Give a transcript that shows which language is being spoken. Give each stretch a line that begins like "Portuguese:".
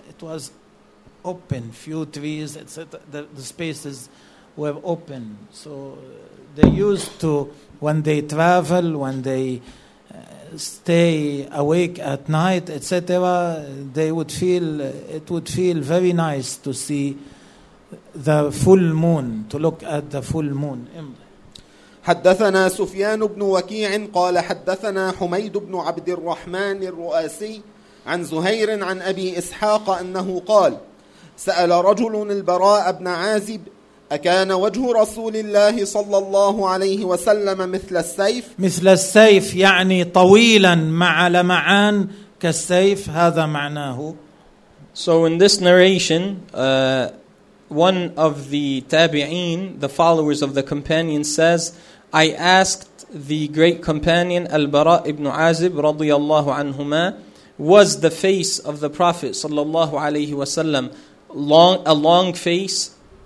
English: It was open, few trees, etc. The spaces were open, so they used to when they travel, when they stay awake at night, etc. It would feel very nice to see the full moon, to look at the full moon.
Arabic: حدثنا سفيان بن وكيع قال حدثنا حميد بن عبد الرحمن الرؤاسي عن زهير عن أبي إسحاق أنه قال سأل رجل البراء بن عازب أكان وجه رسول الله صلى الله عليه وسلم مثل السيف. مثل السيف يعني طويلا مع لمعان كالسيف, هذا معناه.
English: So in this narration, one of the tabi'een, the followers of the companion, says, I asked the great companion Al-Bara ibn Azib
Arabic: radiyallahu anhuma,
English: was the face of the Prophet
Arabic: sallallahu alayhi wa sallam
English: a long face?